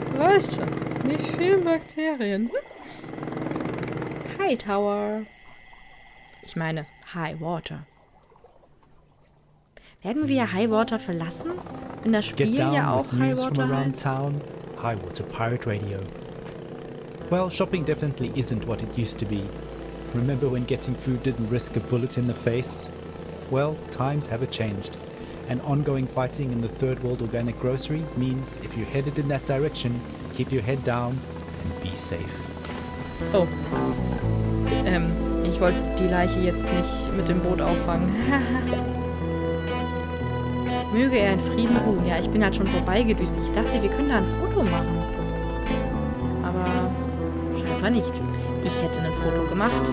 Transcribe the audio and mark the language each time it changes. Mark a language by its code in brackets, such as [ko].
[de] Weißt schon, nicht viel Bakterien. High Tower. Ich meine, High Water. Werden wir High Water verlassen? In der Spiel ja auch High Water [en] around town. High Water Pirate Radio. Well, shopping definitely isn't what it used to be. Remember when getting food didn't risk a bullet in the face? Well, times have changed. And ongoing fighting in the third world organic grocery means if you're headed in that direction, keep your head down and be safe. Oh. [de] Ich wollte die Leiche jetzt nicht mit dem Boot auffangen. Möge er in Frieden ruhen. Ja, ich bin halt schon vorbeigedüst. Ich dachte, wir können da ein Foto machen. Aber scheinbar nicht. Ich hätte ein Foto gemacht.